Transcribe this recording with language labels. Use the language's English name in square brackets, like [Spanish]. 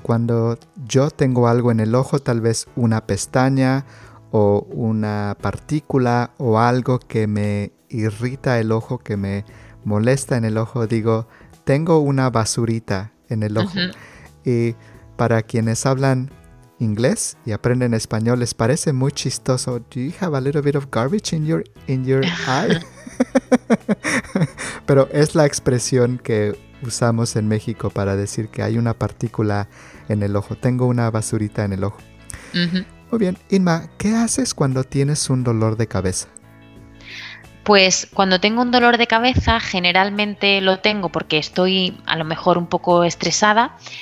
[Spanish] Cuando yo tengo algo en el ojo, tal vez una pestaña o una partícula o algo que me irrita el ojo, que me molesta en el ojo, digo, tengo una basurita en el ojo. Uh-huh. Y para quienes hablan inglés y aprenden español, les parece muy chistoso. [English] Do you have a little bit of garbage in your eye? [Spanish] Pero es la expresión que usamos en México para decir que hay una partícula en el ojo. Tengo una basurita en el ojo. Uh-huh. Muy bien. Inma, ¿qué haces cuando tienes un dolor de cabeza? Pues cuando tengo un dolor de cabeza, generalmente lo tengo porque estoy a lo mejor un poco estresada.